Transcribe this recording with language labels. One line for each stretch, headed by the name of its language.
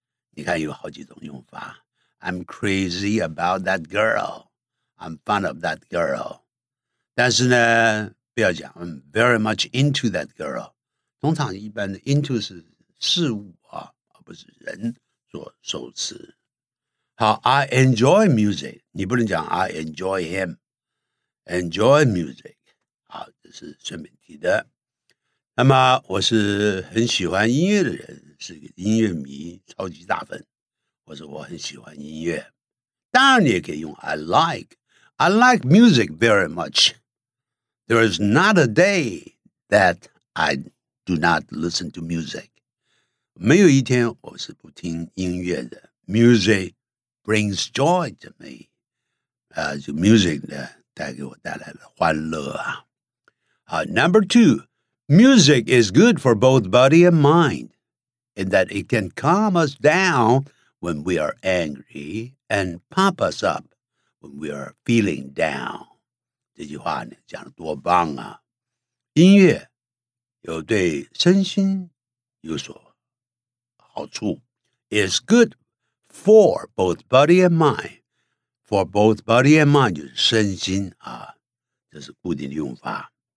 Chinese: 你看有好几种用法，
English: I'm crazy about that girl， I'm fond of that girl，
Chinese: 但是呢不要讲
English: I'm very much into that girl。
Chinese: 通常一般的 into 是事物啊，而不是人所受词。好，
English: I enjoy music，
Chinese: 你不能讲
English: I enjoy him， enjoy music。
Chinese: 好，这是顺便提的。那么我是很喜欢音乐的人，是个音乐迷，超级大粉，或者我很喜欢音乐。当然你也可以用
English: I like music very much， There is not a day that I do not listen to music，
Chinese: 没有一天我是不听音乐的。
English: Music brings joy to me，
Chinese: 就 music 呢带给我带来了欢乐啊。
English: Number two， music is good for both body and mind in that it can calm us down when we are angry and pump us up when we are feeling down。
Chinese: 这句话呢讲得多棒啊，音乐有对身心有所好处。
English: It's good for both body and mind， for both body and mind
Chinese: 就是身心啊，这是固定的用法。